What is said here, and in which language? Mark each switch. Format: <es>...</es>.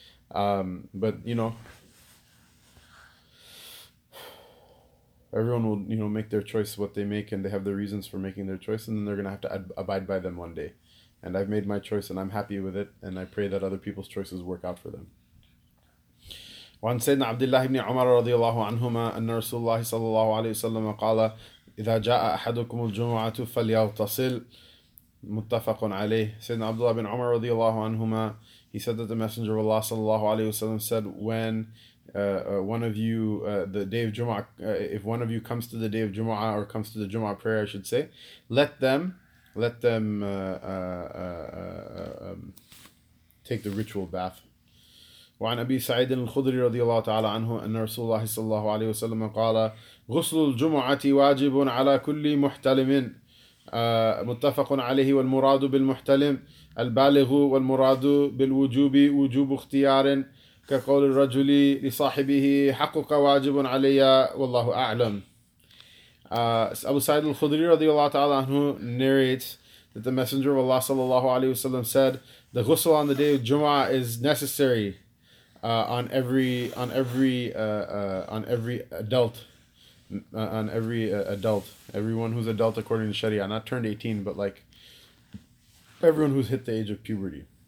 <en>But, you know, everyone will, you know, make their choice what they make, and they have their reasons for making their choice, and then they're going to have to abide by them one day. And I've made my choice, and I'm happy with it, and I pray that other people's choices work out for them.</en> <ar>وعن سيدنا عبد الله بن عمر رضي الله عنهما أن رسول الله صلى الله عليه وسلم قال إذا جاء أحدكم الجمعة فليغتسل. متفق عليه. سيدنا عبد الله بن عمر رضي الله عنهما,</ar> <en>he said that the Messenger of Allah</en> <ar>صلى الله عليه وسلم</ar> <en>said, when one of you, the day of Jumu'ah, if one of you comes to the day of Jumu'ah, or comes to the Jumu'ah prayer, I should say, let them take the ritual bath.</en> <ar>وعن أبي سعيد الخدري رضي الله تعالى عنه أن رسول الله صلى الله عليه وسلم قال غسل الجمعة واجب على كل محتلم. متفق عليه. والمراد بالمحتلم البالغ, والمراد بالوجوب وجوب اختيار, كقول الرجل لصاحبه حقك واجب علي والله أعلم. أبو سعيد الخدري رضي الله تعالى عنه</ar> <en>narrates that the Messenger of Allah</en> <ar>صلى الله عليه وسلم</ar> <en>said the ghusl on the day of Jum'ah is necessary on every adult, everyone who's adult according to Sharia, not turned 18, but like everyone who's hit the age of puberty.</en>